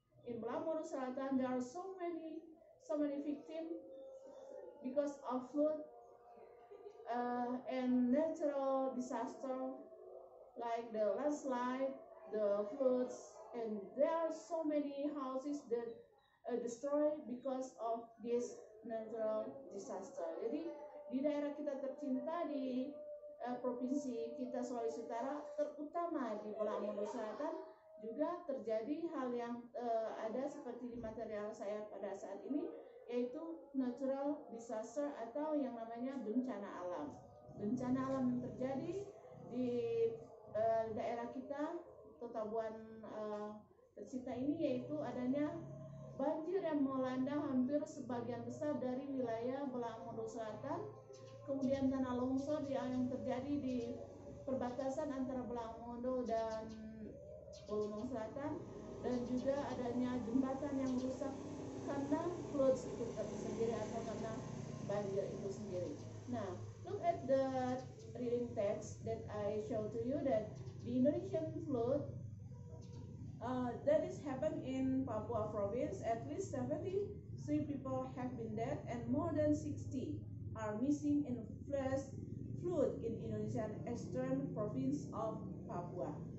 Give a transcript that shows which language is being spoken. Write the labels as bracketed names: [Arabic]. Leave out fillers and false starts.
[English] In Belamono Selatan, there are so many victims because of flood and natural disaster like the landslide, the floods, and there are so many houses that destroyed because of this natural disaster. [Indonesian] Jadi di daerah kita tercinta di provinsi kita Sulawesi Utara, terutama di Belamono Selatan, juga terjadi hal yang ada seperti di material saya pada saat ini, yaitu [English] natural disaster [Indonesian] atau yang namanya bencana alam. Bencana alam yang terjadi di daerah kita, Tetabuan tercinta ini, yaitu adanya banjir yang melanda hampir sebagian besar dari wilayah Belamono Selatan, kemudian tanah longsor yang terjadi di perbatasan antara Belamono dan Belamono Selatan, dan juga adanya jembatan yang rusak karena flood itu sendiri atau karena banjir itu sendiri. [English] Nah, look at the reading text that I show to you, that the Indonesian flood that is happened in Papua province, at least 73 people have been dead and more than 60 are missing in flash flood in Indonesian eastern province of Papua.